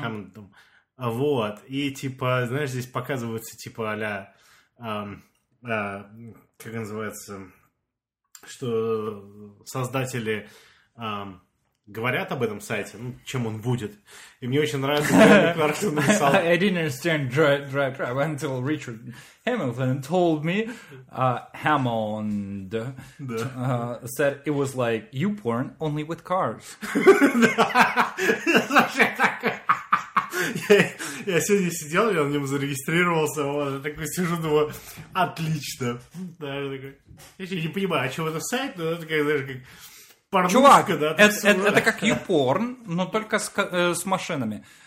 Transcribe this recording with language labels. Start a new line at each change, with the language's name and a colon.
Russian: Хаммондом. Вот. И типа, знаешь, здесь показываются типа а-ля, как называется, что создатели говорят об этом сайте, ну, чем он будет. И мне очень нравится, как Джереми Кларксон написал.
English: I didn't understand DriveTribe until Richard Hamilton told me, Hammond, said it was like YouPorn, only with cars.
Russian: Слушай, такой... я сегодня сидел, я на нем зарегистрировался, вот, я такой сижу, думаю, отлично. Да, я такой, я не понимаю, а что это сайт, но это как, знаешь, как порнушка, чувак, да? Это как YouPorn, но только с машинами.